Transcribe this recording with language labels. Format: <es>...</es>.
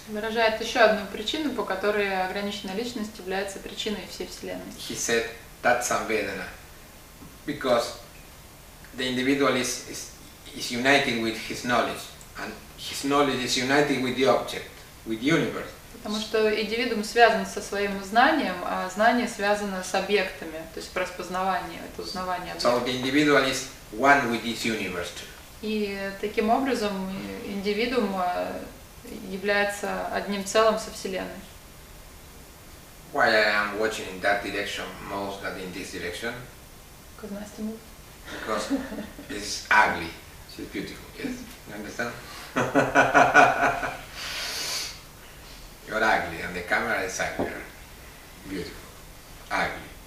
<ru>Выражает еще одну причину, по которой ограниченная личность является причиной всей вселенной.</ru> <en>He said that samvedana, because the individual is united with his knowledge, and his knowledge is united with the object, with the universe.</en> <ru>Потому что индивидуум связан со своим знанием, а знание связано с объектами, то есть распознавание, это узнавание.</ru> <en>So the individual is one with this universe.</en> <ru>И таким образом индивидуум является одним целым со вселенной.</ru> <en>Why I am watching in that direction most than in this direction? Because it's ugly. She's beautiful, yes. You understand? You're ugly, and the camera is ugly. Beautiful. ugly.</en>